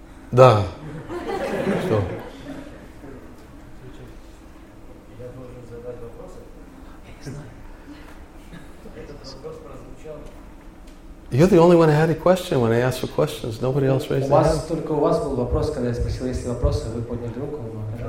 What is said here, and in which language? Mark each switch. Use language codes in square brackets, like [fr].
[ru] Да. Что? Я должен задать вопросы? Я не знаю. Этот вопрос прозвучал. [en] You're the only one who had a question when I asked for questions. Nobody else raised their hand. [ru] Только у вас был вопрос, когда я спросил, есть ли вопросы, вы подняли руку, но